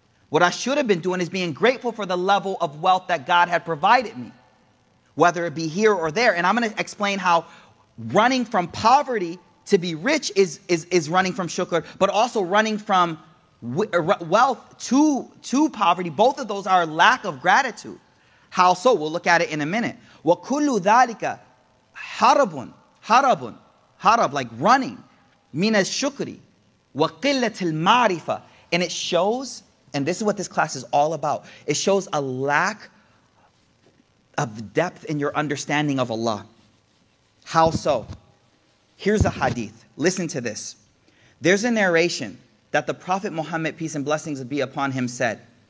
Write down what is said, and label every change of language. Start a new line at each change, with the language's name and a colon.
English: What I should have been doing is being grateful for the level of wealth that God had provided me, whether it be here or there. And I'm going to explain how running from poverty to be rich is running from shukr, but also running from wealth to poverty. Both of those are lack of gratitude. How so? We'll look at it in a minute.
Arabic: وَكُلُّ ذَلِكَ حَرَبٌ حَرَبٌ حَرَبٌ,
English: like running,
Arabic: مِنَ الشُّكْرِ وَقِلَّةِ الْمَعْرِفَةِ.
English: And it shows, and this is what this class is all about, it shows a lack of depth in your understanding of Allah. How so? Here's a hadith. Listen to this. There's a narration that the Prophet Muhammad, peace and blessings be upon him, said.